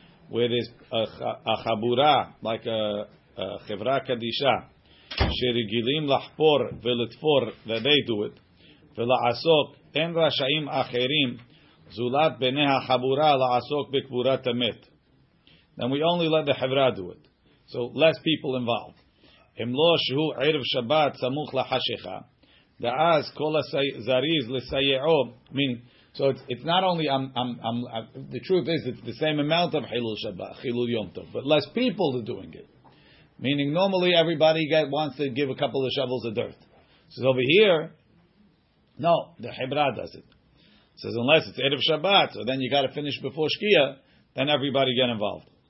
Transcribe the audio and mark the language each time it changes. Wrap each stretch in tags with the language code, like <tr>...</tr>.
<en>where there's a chabura, like a chevra kadisha,</en> <he>שרגילים לחפור ולתפור,</he> <en>that they do it,</en> <he>ולעסוק, אין רשאים אחרים, זולת בני החבורה לעסוק בקבורת המת.</he> <en>Then we only let the chevra do it. So less people involved.</en> <he>אם לא שהוא ערב שבת סמוך לחשיכה, ואז כל הזריז לסייעו, מין...</he> <en>So it's not only the truth is it's the same amount of chilul shabbat chilul yom tov, but less people are doing it. Meaning normally everybody wants to give a couple of shovels of dirt. Says over here, no, the chibra does it. Says unless it's erev shabbat, so then you got to finish before shkia, then everybody get involved.</en>